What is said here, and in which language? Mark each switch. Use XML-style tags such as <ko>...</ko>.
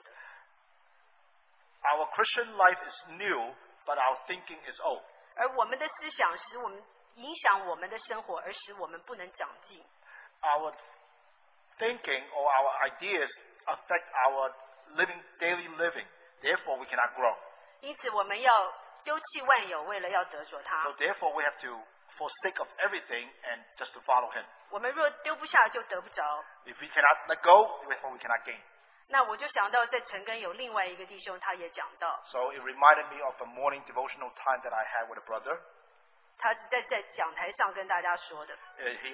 <en>Christian life is new, but our thinking is old.</en> <zh>而我们的思想使我们影响我们的生活，而使我们不能长进。</zh> <en>Our thinking or our ideas affect our living, daily living. Therefore, we cannot grow. So therefore, we have to forsake of everything and just to follow Him. If we cannot let go, therefore we cannot gain.</en> <zh>那我就想到在城根有另外一个弟兄，他也讲到。</zh> <en>So it reminded me of a morning devotional time that I had with a brother.</en> <zh>他在讲台上跟大家说的。</zh> <en>He</en>